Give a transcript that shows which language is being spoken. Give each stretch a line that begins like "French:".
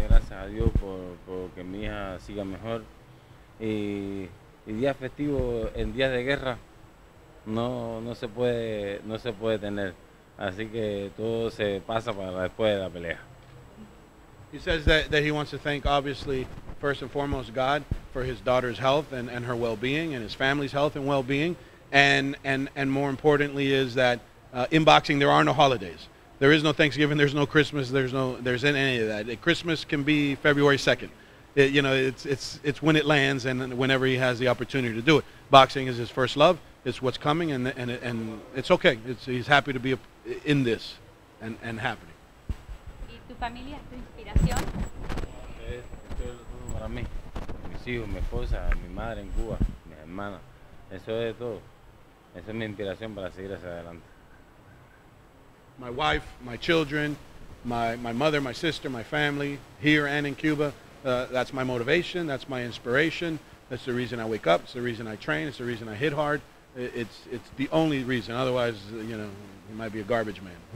Spanish: A Dios por que mi hija siga mejor y días festivos en días de guerra no se puede tener, así que todo se pasa para después de la pelea.
English: He says that he wants to thank, obviously, first and foremost God for his daughter's health and her well-being and his family's health and well-being, and more importantly is that in boxing there are no holidays. There is no Thanksgiving, there's no Christmas, there's any of that. Christmas can be February 2nd. It's when it lands and whenever he has the opportunity to do it. Boxing is his first love, it's what's coming, and it's okay. He's happy to be in this and happening.
Spanish: ¿Y tu familia es tu inspiración? Esto es todo para mí. Mis hijos, mi esposa, mi madre en Cuba, mi hermana. Eso es todo. Esa es mi inspiración para seguir hacia adelante.
English: My wife, my children, my mother, my sister, my family, here and in Cuba, that's my motivation, that's my inspiration, that's the reason I wake up, it's the reason I train, it's the reason I hit hard, it's the only reason, otherwise, you know, you might be a garbage man.